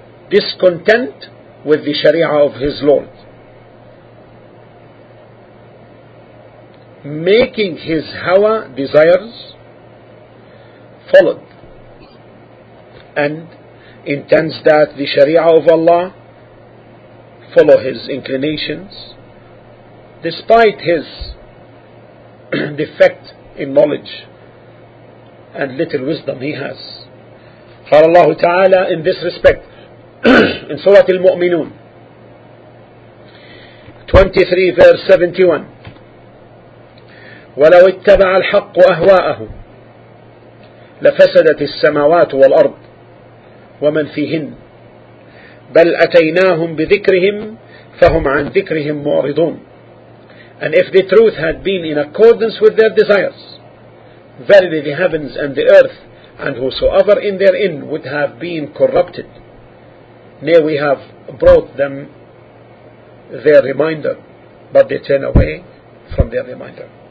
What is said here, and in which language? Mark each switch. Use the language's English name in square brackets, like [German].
[English] Discontent with the Sharia of his Lord, making his hawa desires followed, and intends that the Sharia of Allah follow his inclinations, despite his defect in knowledge and little wisdom he has. [Arabic] قال الله تعالى [English] in this respect in Surah Al-Mu'minun 23 verse 71, [Arabic] وَلَوْ اتَّبَعَ الْحَقُّ أَهْوَاءَهُمْ لَفَسَدَتِ السَّمَاوَاتُ وَالْأَرْضُ وَمَنْ فِيهِنْ بَلْ أَتَيْنَاهُمْ بِذِكْرِهِمْ فَهُمْ عَنْ ذِكْرِهِمْ مُعْرِضُونَ. [English] And if the truth had been in accordance with their desires, verily the heavens and the earth and whosoever in therein would have been corrupted. Nay, we have brought them their reminder, but they turn away from their reminder.